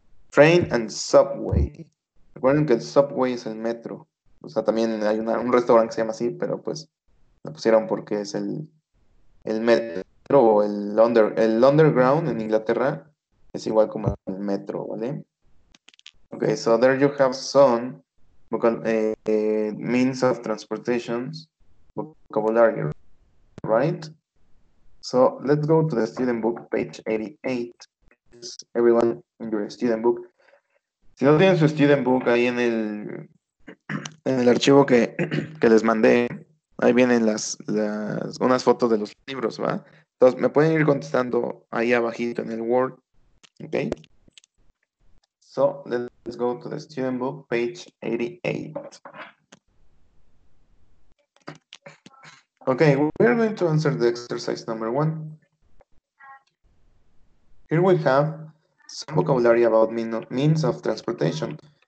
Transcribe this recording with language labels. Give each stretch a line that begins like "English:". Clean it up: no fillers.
English: Train and subway.
Spanish: Recuerden que el subway es el metro. O sea, también hay un restaurante que se llama así, pero pues lo pusieron porque es el metro o el underground en Inglaterra es igual como el metro, ¿vale?
English: Ok, so there you have some means of transportation vocabulary, right? So let's go to the student book, page 88. Everyone in your student book.
Spanish: Si no tienen su student book ahí en el archivo que les mandé, ahí vienen las unas fotos de los libros, ¿va? Entonces me pueden ir contestando ahí abajito en el Word, ¿ok?
English: So let's go to the student book, page 88. Okay, we are going to answer the exercise number one. Here we have some vocabulary about means of transportation.